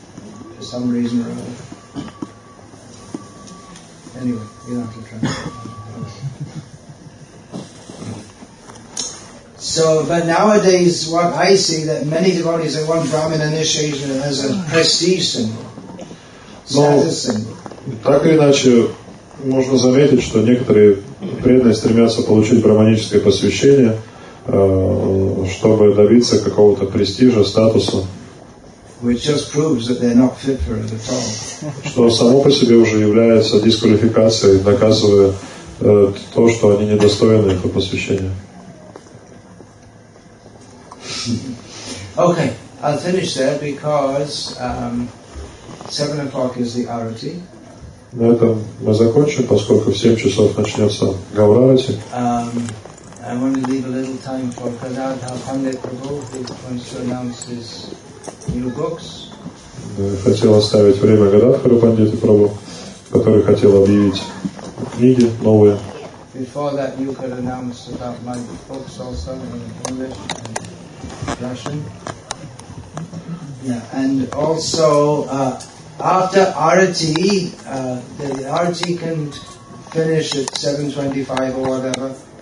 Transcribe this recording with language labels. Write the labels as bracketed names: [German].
[English] for some reason or other. Anyway, you don't have to try. So, but nowadays, what I see that many devotees that want Brahmin initiation as a prestige symbol. [Russian] Но так или иначе можно заметить, что некоторые преданные стремятся получить брахманическое посвящение, чтобы добиться какого-то престижа, статуса, что само по себе уже является дисквалификацией, доказывая то, что они недостойны этого посвящения. [English] Okay, I'll finish there because 7 o'clock is the arati. [Russian] На этом мы закончим, поскольку в 7 часов начнется гаврати. [English] I want to leave a little time for Kadadha Pandit Prabhu, who wants to announce his new books. [Russian] Хотел оставить время Гададхару Пандиту Прабху, который хотел объявить книги новые. [English] Before that, you could announce about my books also in English and Russian. Yeah, and also. After arati, the arati can finish at 7:25 or whatever.